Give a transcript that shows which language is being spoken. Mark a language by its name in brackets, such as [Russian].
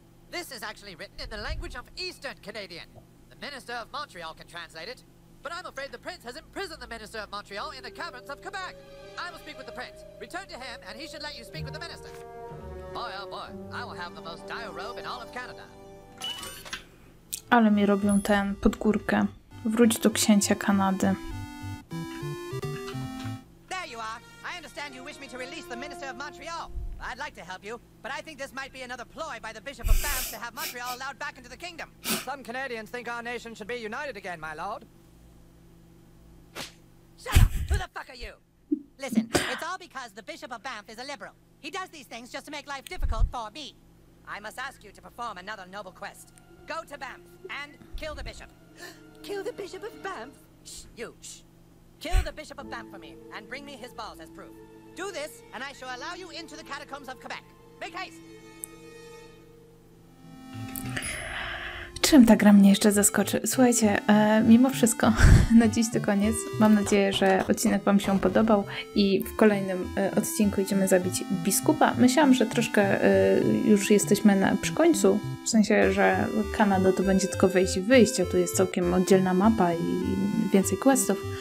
[English] This is actually written in the language of Eastern Canadian. The Minister of Montreal can translate it, but I'm afraid the Prince has imprisoned the Minister of Montreal in the caverns of Quebec. I will speak with the Prince. Return to him, and he should let you speak with the Minister. Boy, oh boy, I will have the most dire robe in all of Canada. [Polish] Ale mi robią ten pod górkę. Wróć do księcia Kanady. [English] There you are. I understand you wish me to release the Minister of Montreal. I'd like to help you, but I think this might be another ploy by the Bishop of Banff to have Montreal allowed back into the kingdom. Some Canadians think our nation should be united again, my lord. Shut up! Who the fuck are you? Listen, it's all because the Bishop of Banff is a liberal. He does these things just to make life difficult for me. I must ask you to perform another noble quest. Go to Banff and kill the bishop. Kill the Bishop of Banff? Shh, you, shh. Kill the Bishop of Banff for me and bring me his balls as proof. Do this, and I shall allow you into the catacombs of Quebec. Make haste! [Polish] Czym ta gra mnie jeszcze zaskoczy? Słuchajcie, mimo wszystko, na dziś to koniec. Mam nadzieję, że odcinek wam się podobał i w kolejnym odcinku idziemy zabić biskupa. Myślałam, że troszkę już jesteśmy przy końcu, w sensie, że Kanada to będzie tylko wejść i wyjść, a tu jest całkiem oddzielna mapa i więcej questów.